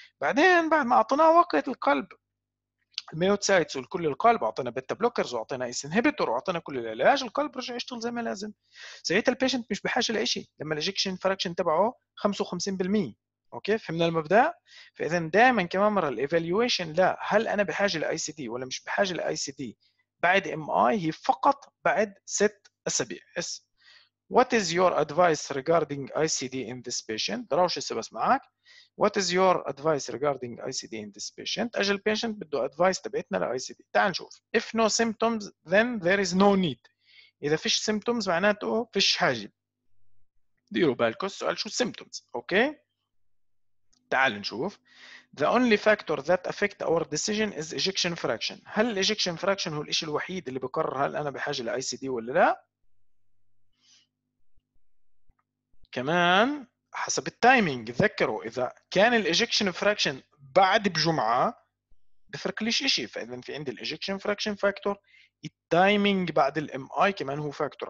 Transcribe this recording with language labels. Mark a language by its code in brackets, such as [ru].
[ar] بعدين بعد ما اعطيناه وقت القلب الميوتسايتس وكل القلب، اعطينا بيتا بلوكرز واعطينا ايس انهبيتور واعطينا كل العلاج، القلب رجع يشتغل زي ما لازم. ساعتها البيشنت مش بحاجه لشيء لما الاجكشن فراكشن تبعه 55%. اوكي، فهمنا المبدا؟ فاذا دائما كمان مره الايفالويشن لا، هل انا بحاجه لاي سي دي ولا مش بحاجه لاي سي دي بعد ام اي، هي فقط بعد 6 اسابيع. [en] What is your advice regarding ICD in this patient? [ar] دراوش السبس معك. [en] What is your advice regarding ICD in this patient? [ar] أجل patient بده advice تبعتنا لـ ICD. تعال نشوف. [en] If no symptoms, then there is no need. [ar] إذا فيش symptoms معناته فيش حاجة. ديروا بالكم السؤال شو symptoms. Okay. تعال نشوف. [en] The only factor that affect our decision is ejection fraction. [ar] هل ejection fraction هو الإشي الوحيد اللي بقرر هل أنا بحاجة لـ ICD ولا لا؟ كمان حسب التايمينج، تذكروا اذا كان الاجكشن فراكشن بعد بجمعه بفرق ليش اشي. فاذا في عندي الاجكشن فراكشن فاكتور، التايمينج بعد الام اي كمان هو فاكتور.